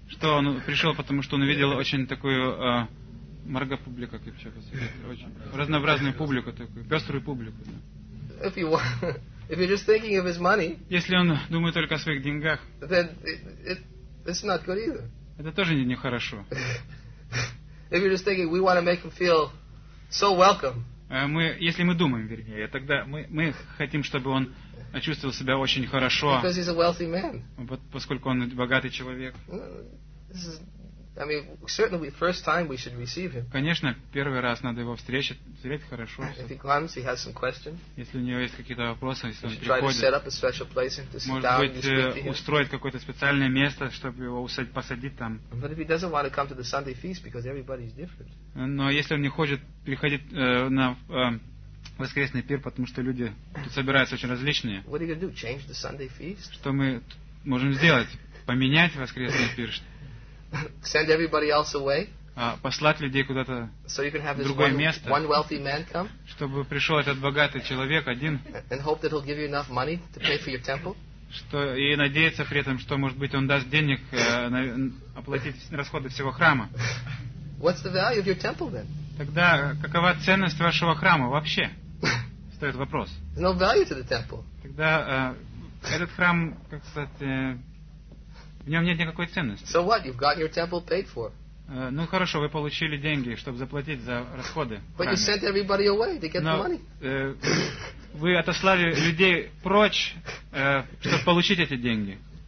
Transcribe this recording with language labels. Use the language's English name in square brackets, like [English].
[Russian] Что он пришел, потому что он увидел очень такую маргопублику, как вообще сказать, очень разнообразную публику такую, пеструю публику. Да. [English] If you want, if you're just thinking of his money. [Russian] Если он думает только о своих деньгах. [English] Then it's not good either. [Russian] Это тоже не хорошо. [English] If you're just thinking, we want to make him feel so welcome. [Russian] Мы, если мы думаем, вернее, тогда мы хотим, чтобы он чувствовал себя очень хорошо. [English] Because he's a wealthy man. [Russian] Поскольку он богатый человек. [English] I mean, certainly the first time we should receive him. [Russian] Конечно, первый раз надо его встретить хорошо. [English] If he comes, he has some questions. [Russian] Если у него есть какие-то вопросы, если он приходит. [English] Try to set up a special place to sit down and speak to him. [Russian] Устроить какое-то специальное место, чтобы его посадить там. [English] But if he doesn't want to come to the Sunday feast because everybody is different. [Russian] Но если он не хочет приходить на воскресный пир, потому что люди тут собираются очень различные. [English] What are you going to do? Change the Sunday feast? [Russian] Что мы можем сделать? Поменять воскресный пир? [English] Send everybody else away? [Russian] Послать людей куда-то [English] so you can have [Russian] в другое место. [English] One wealthy man come? [Russian] Чтобы пришел этот богатый человек один. [English] And hope that he'll give you enough money to pay for your temple? [Russian] Что и надеяться при этом, что может быть он даст денег оплатить расходы всего храма. [English] What's the value of your temple then? [Russian] Тогда какова ценность вашего храма вообще? Стоит вопрос. [English] There's no value to the temple. [Russian] Тогда этот храм, как сказать, в нем нет никакой ценности. [English] So what? You've got your temple paid for. [Russian] Ну хорошо, вы получили деньги, чтобы заплатить за расходы. [English] But you sent everybody away to get the money. [Russian] Вы отослали людей прочь, чтобы получить эти деньги.